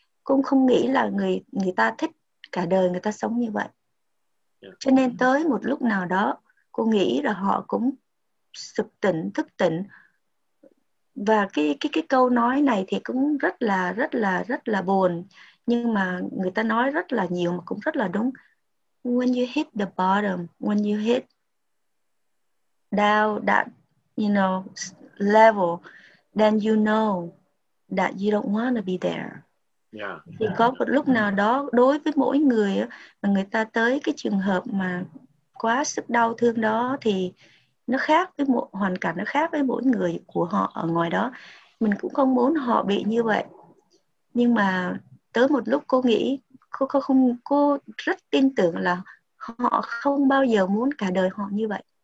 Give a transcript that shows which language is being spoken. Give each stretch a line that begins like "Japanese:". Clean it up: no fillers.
Vietnamese: Cũng không nghĩ là người ta thích cả đời người ta sống như vậy. Cho nên tới một lúc nào đó, cô nghĩ là họ cũng sực tỉnh, thức tỉnh. Và cái câu nói này thì cũng rất là buồn. Nhưng mà người ta nói rất là nhiều mà cũng rất là đúng.
English: When you hit the bottom, when you hit down that, you know, level, then you know that you don't want to be there.
Vietnamese: Thì có một lúc nào đó đối với mỗi người mà người ta tới cái trường hợp mà quá sức đau thương đó thì nó khác với một hoàn cảnh, nó khác với mỗi người của họ ở ngoài đó. Mình cũng không muốn họ bị như vậy. Nhưng mà tới một lúc cô nghĩ, cô rất tin tưởng là họ không bao giờ muốn cả đời họ như vậy.